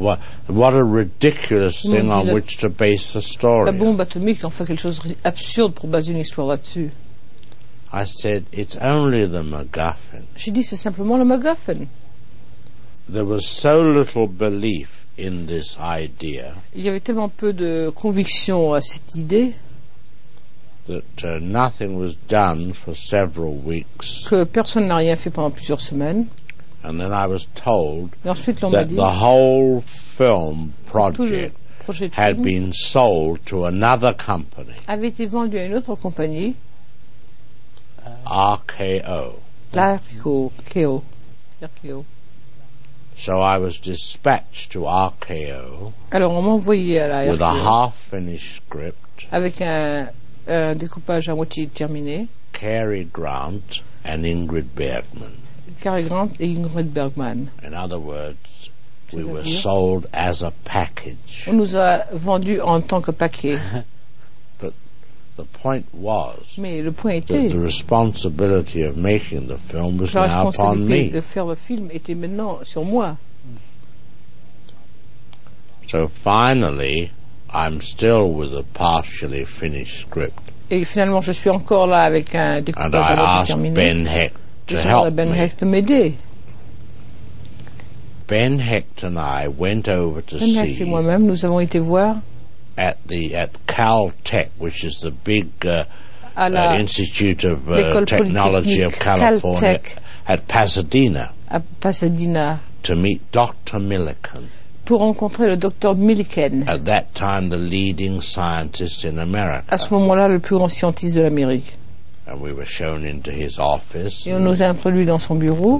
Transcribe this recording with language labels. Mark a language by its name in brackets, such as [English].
[English] What a ridiculous thing on which to base a story. [French] La bombe atomique, enfin quelque chose d'absurde pour baser une histoire là-dessus. [English] I said it's only the MacGuffin. [French] J'ai dit c'est simplement le MacGuffin. [English] There was so little belief in this idea. [French] Il y avait tellement peu de conviction à cette idée. [English] That nothing was done for several weeks. [French] Que personne n'a rien fait pendant plusieurs semaines. [English] And then I was told [French] ensuite, [English] that [French] m'a dit [English] the whole film project had been sold to another company. [French] Avait été vendu à une autre compagnie. [English] RKO. [French] RKO. [English] So I was dispatched to RKO. [French] Alors on m'a envoyé à la RKO. [English] With a half-finished script. [French] Avec un découpage à moitié terminé. [English] Cary Grant and Ingrid Bergman. [French] Cary Grant et Ingrid Bergman. [English] In other words, we were sold as a package. [French] On nous a vendu en tant que paquet. [English] But the point was. [French] Mais le point était. [English] That the responsibility of making the film was now upon me. [French] De faire le film était maintenant sur moi. [English] So finally, I'm still with a partially finished script. [French] Et finalement, je suis encore là avec un découpage à terminé. [English] Ben Hecht to help me. [French] Ben Hecht de m'aider. [English] Ben Hecht and I went over to [French] Ben Hecht [English] see [French] et moi-même, nous avons été voir [English] at Caltech, which is the big [French] à la [English] Institute of Technology of California Caltech at Pasadena, [French] à Pasadena [English] to meet Dr. Milliken, [French] pour rencontrer le Dr. Milliken, [English] at that time the leading scientist in America, [French] à ce moment-là le plus grand scientiste de l'Amérique. [English] And we were shown into his office. [French] Et on nous a introduit dans son bureau.